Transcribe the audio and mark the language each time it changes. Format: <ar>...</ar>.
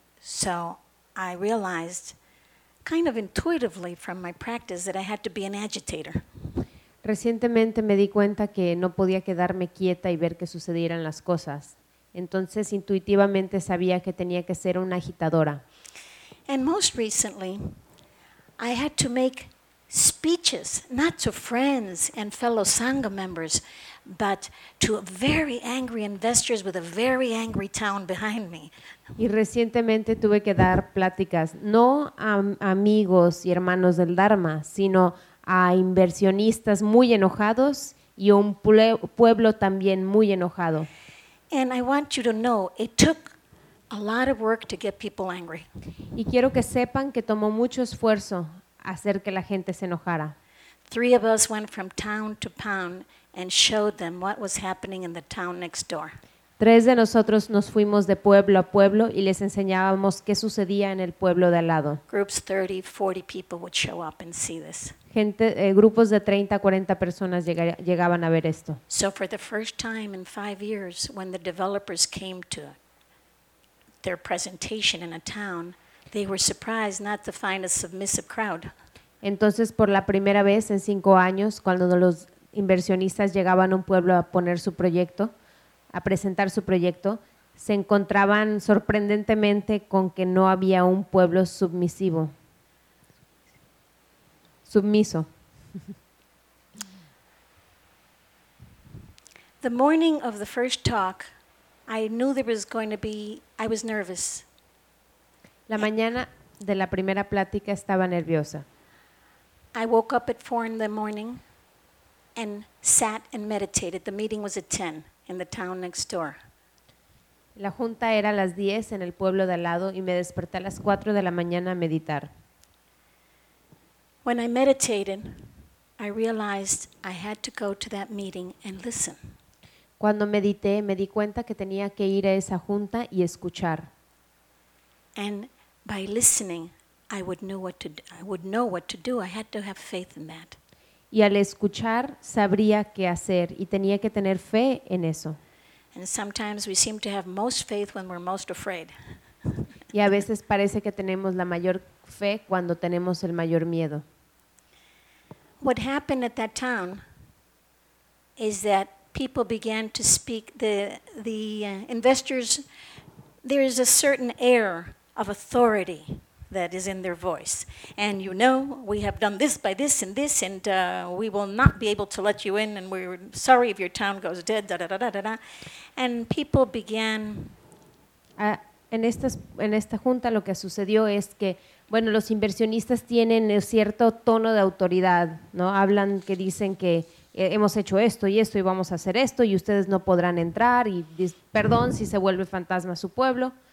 <en>So I realized, kind of intuitively from my practice, that I had to be an agitator.</en> <es>Recientemente me di cuenta que no podía quedarme quieta y ver que sucedieran las cosas. Entonces, intuitivamente sabía que tenía que ser una agitadora.</es> <en>And most recently, I had to make speeches, not to friends and fellow Sangha members, but to very angry investors with a very angry town behind me.</en> <es>Y recientemente tuve que dar pláticas, no a amigos y hermanos del Dharma, sino a inversionistas muy enojados y un pueblo también muy enojado.</es> <en>And I want you to know, it took a lot of work to get people angry.</en> <es>Y quiero que sepan que tomó mucho esfuerzo hacer que la gente se enojara.</es> <en>Three of us went from town to town and showed them what was happening in the town next door.</en> <es>Tres de nosotros nos fuimos de pueblo a pueblo y les enseñábamos qué sucedía en el pueblo de al lado.</es> <en>Groups 30, 40 people would show up and see this.</en> <es>Gente, grupos de 30, 40 personas llegaban a ver esto.</es> <en>So for the first time in 5 years, when the developers came to their presentation in a town, they were surprised not to find a submissive crowd.</en> <es>Entonces, por la primera vez en 5 años, cuando los inversionistas llegaban a un pueblo a poner su proyecto, a presentar su proyecto, se encontraban sorprendentemente con que no había un pueblo submisivo. Submiso.</es> <en>The morning of the first talk, I knew there was going to be, I was nervous.</en> <es>La mañana de la primera plática estaba nerviosa.</es> <en>I woke up at 4 in the morning and sat and meditated. The meeting was at 10 in the town next door.</en> <es>La junta era a las 10 en el pueblo de al lado y me desperté a las 4 de la mañana a meditar.</es> <en>When I meditated, I realized I had to go to that meeting and listen.</en> <es>Cuando medité, me di cuenta que tenía que ir a esa junta y escuchar.</es> <en>And by listening, I would know what to do. I had to have faith in that.</en> <es>Y al escuchar, sabría qué hacer y tenía que tener fe en eso.</es> <en>And sometimes we seem to have most faith when we're most afraid.</en> <es>Y a veces parece que tenemos la mayor fe cuando tenemos el mayor miedo.</es> <en>What happened at that town is that people began to speak, the investors, there is a certain air of authority that is in their voice. And you know, we have done this by this and this, and we will not be able to let you in, and we're sorry if your town goes dead, da da da da da da. And people began...</en> <es>En esta junta lo que sucedió es que, bueno, los inversionistas tienen cierto tono de autoridad, ¿no? Hablan que dicen que hemos hecho esto y esto y vamos a hacer esto y ustedes no podrán entrar y perdón si se vuelve fantasma su pueblo.</es>